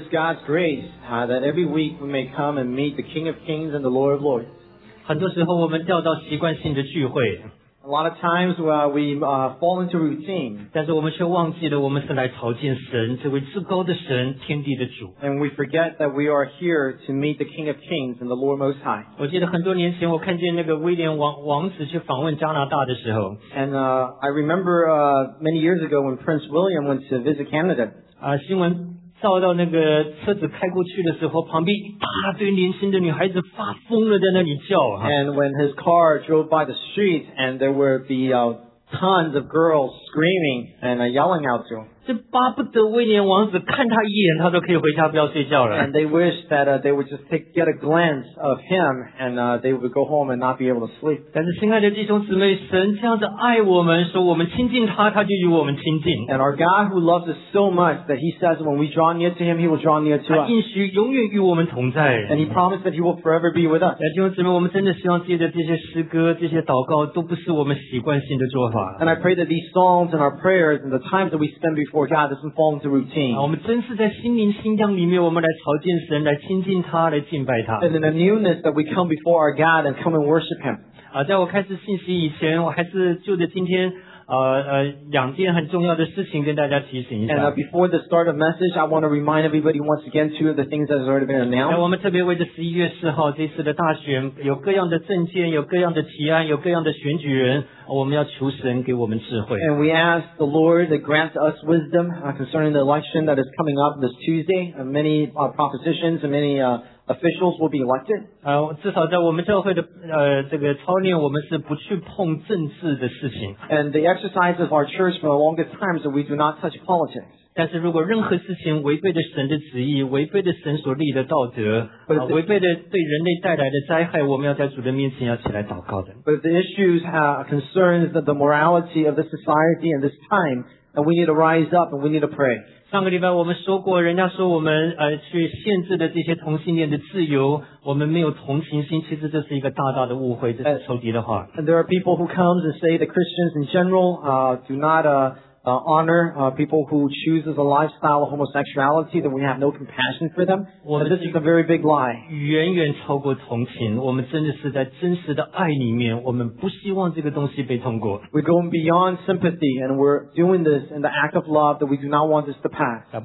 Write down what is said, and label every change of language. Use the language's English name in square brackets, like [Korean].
[English] is God's grace, that every week we may come and meet the King of Kings and the Lord of Lords. [Chinese] 很多时候我们掉到习惯性的聚会。 [English] A lot of times we fall into routine. [Chinese] 但是我们却忘记了我们是来朝见神，这位至高的神，天地的主。 [English] And we forget that we are here to meet the King of Kings and the Lord Most High. [Chinese] 我记得很多年前我看见那个威廉王子去访问加拿大的时候。 [English] And I remember many years ago when Prince William went to visit Canada. [Chinese] 新闻照到那个车子开过去的时候，旁边一大堆年轻的女孩子发疯了，在那里叫。 [English] And when his car drove by the street, and there were tons of girls screaming and yelling out to him. [Chinese] 这巴不得威廉王子看他一眼，他都可以回家不要睡觉了。 [English] And they wished that they would just get a glance of him, and they would go home and not be able to sleep. [Chinese] 但是亲爱的弟兄姊妹，神这样子爱我们，说我们亲近他，他就与我们亲近。 [English] And our God who loves us so much that He says when we draw near to Him, He will draw near to us. [Chinese] 他应许永远与我们同在。 [English] And He promised that He will forever be with us. [Chinese] 弟兄姊妹，我们真的希望自己的这些诗歌、这些祷告都不是我们习惯性的做法。 [English] And I pray that these songs and our prayers and the times that we spend before God doesn't fall into routine. [Chinese] 我们真是在心灵馨香里面，我们来朝见神，来亲近他，来敬拜他。 [English] And in the newness that we come before our God and come and worship Him. [Chinese] 在我开始信息以前，我还是就着今天两件很重要的事情跟大家提醒一下。 [English] And before the start of message, I want to remind everybody once again two of the things that has already been announced. [Chinese] 我们特别为着11月4号这次的大选，有各样的政见，有各样的提案，有各样的选举人，我们要求神给我们智慧。 [English] And we ask the Lord to grant us wisdom concerning the election that is coming up this Tuesday. Many propositions and many officials will be elected. [Chinese] 至少在我们教会的这个操练，我们是不去碰政治的事情。 [English] And the exercise of our church for the longest time is that we do not touch politics. [Chinese] 但是如果任何事情违背了神的旨意，违背了神所立的道德，违背了对人类带来的灾害，我们要在主的面前要起来祷告的。 [English] But the issues concerns that the morality of the society in this time, and we need to rise up and we need to pray. [Chinese] 上个礼拜我们说过，人家说我们去限制了这些同性恋的自由，我们没有同情心，其实这是一个大大的误会，这是仇敌的话。 [English] And there are people who come and say that Christians in general do not honor people who choose a lifestyle of homosexuality, that we have no compassion for them. And this is a very big lie. [Chinese] 远远超过同情，我们真的是在真实的爱里面，我们不希望这个东西被通过。 [English] We're going beyond sympathy, and we're doing this in the act of love that we do not want this to pass.